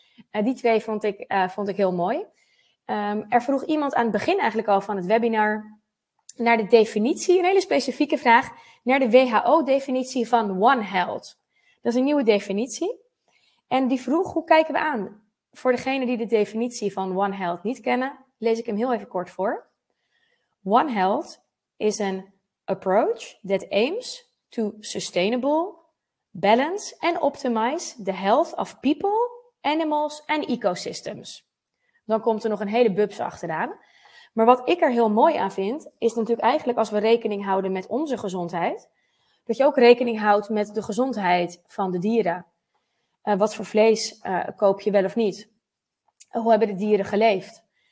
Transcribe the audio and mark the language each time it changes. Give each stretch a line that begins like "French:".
Dutch: Die twee vond ik heel mooi. Er vroeg iemand aan het begin eigenlijk al van het webinar naar de definitie, een hele specifieke vraag, naar de WHO-definitie van One Health. Dat is een nieuwe definitie. En die vroeg, hoe kijken we aan? Voor degenen die de definitie van One Health niet kennen, lees ik hem heel even kort voor.
English: One Health is an approach that aims to sustainable, balance and optimize the health of people, animals and ecosystems.
Dutch: Dan komt er nog een hele bubs achteraan. Maar wat ik er heel mooi aan vind, is natuurlijk eigenlijk als we rekening houden met onze gezondheid, dat je ook rekening houdt met de gezondheid van de dieren. Wat voor vlees koop je wel of niet? Hoe hebben de dieren geleefd?